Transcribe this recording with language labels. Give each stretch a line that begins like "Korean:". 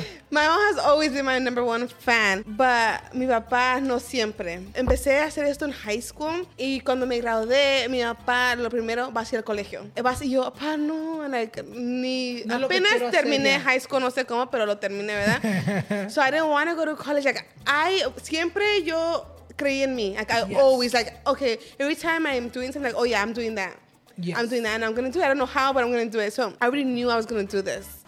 English: My mom has always been my number one fan, but
Spanish: mi papá no siempre. Empecé a hacer esto en high school, y cuando me gradué, mi papá lo primero va hacia el colegio. Y yo, papá, no, like, ni no apenas terminé hacer, high school, no sé cómo, pero lo terminé, ¿verdad?
English: So I didn't want to go to college. Like,
Spanish: siempre yo creí en mí.
English: Like, I always, like, okay, every time I'm doing something, like, oh yeah, I'm doing that. Yes. I'm doing that and I'm going to do it. I don't know how, but I'm going to do it. So I already knew I was going to do this.